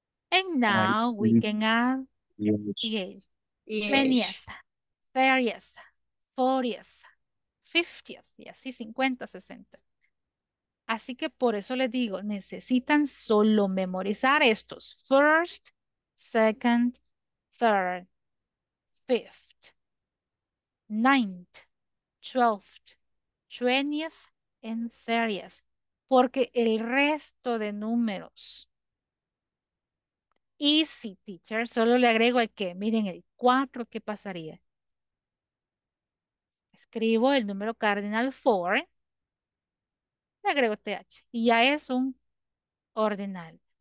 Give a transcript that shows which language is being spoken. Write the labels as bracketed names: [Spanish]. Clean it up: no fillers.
[English] And now we can add. Twentieth, 30th, 40th. 50th, [Spanish] y así [English] 50, 60. [Spanish] Así que por eso les digo, necesitan solo memorizar estos. [English] First, second, third, fifth, ninth, twelfth, twentieth, and thirtieth. [Spanish] Porque el resto de números, [English] easy teacher, [Spanish] solo le agrego el que, miren el 4, ¿qué pasaría? Escribo el número cardinal 4, le agrego TH y ya es un ordinal.